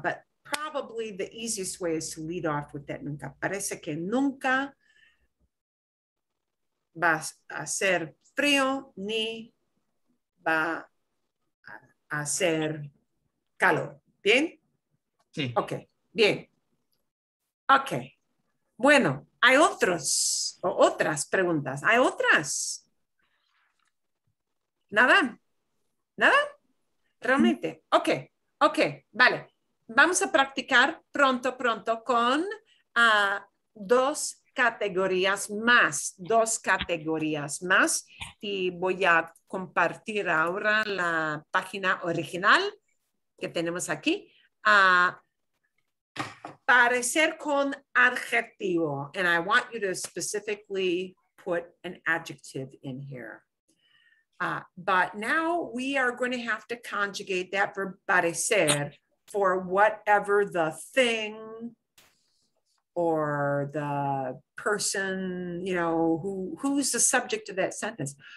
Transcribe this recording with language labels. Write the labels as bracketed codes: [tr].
[en] But probably the easiest way is to lead off with that nunca. [es] Parece que nunca va a ser frío ni va a ser calor. ¿Bien? Sí. Ok. Bien. Ok. Bueno, hay otros o otras preguntas. ¿Hay otras? ¿Nada? ¿Nada? Realmente. Ok. Ok. Vale. Vamos a practicar pronto con dos categorías más. Dos categorías más. Y voy a compartir ahora la página original que tenemos aquí. Parecer con adjetivo. [en] And I want you to specifically put an adjective in here. But now we are going to have to conjugate that verb parecer for whatever the thing or the person, you know, who's the subject of that sentence.